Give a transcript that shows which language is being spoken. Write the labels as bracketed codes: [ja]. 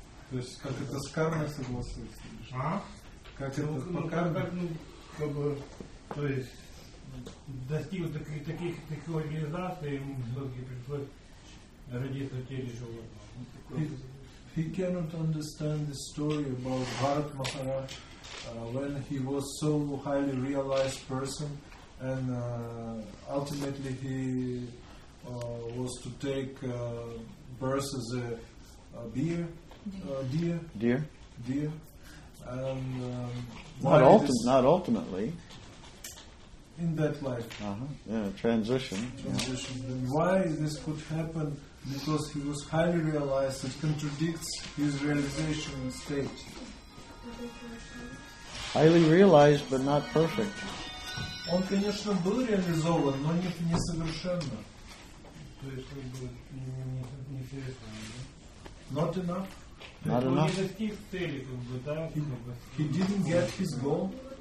[ru] То есть как это с кармой согласуется? А? Как это по карме? Ну, как бы, то есть достиг таких организаций, ему все-таки пришлось родиться в теле животного. [en] He cannot understand the story about Bharat Maharaj when he was so highly realized person and ultimately he was to take birth as a deer. And, not ultimately. In that life. Transition. Yeah. And why this could happen? Because he was highly realized, it contradicts his realization state. Highly realized, but not perfect. [ru] Он, конечно, был реализован, но не совершенно. То есть он был неинтересным. [en] Да? Not enough. Not enough. [ru] Он не достиг цели, как бы, да? [en] He didn't get his goal.